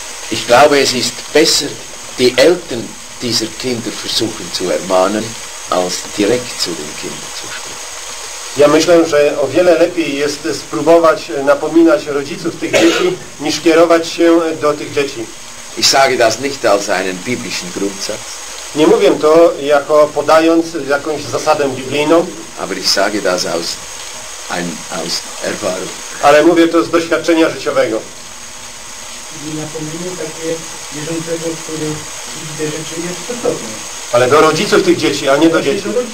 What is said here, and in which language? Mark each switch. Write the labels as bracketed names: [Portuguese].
[German] Ich glaube, es ist besser, die Eltern dieser Kinder versuchen zu ermahnen, als direkt zu den Kindern zu sprechen. [Polish] Ja myślę, że o wiele lepiej jest spróbować napominać rodziców tych dzieci, niż kierować się do tych dzieci. [German] Ich sage das nicht als einen biblischen Grundsatz. [Polish] Nie mówię to jako podając jakąś zasadę biblijną. [German] Aber ich sage das aus Erfahrung. [Polish] Ale mówię to z doświadczenia życiowego. I napomnienie takie bieżącego, który widzi te rzeczy, jest stosowne. Ale do rodziców tych dzieci, a nie do dzieci.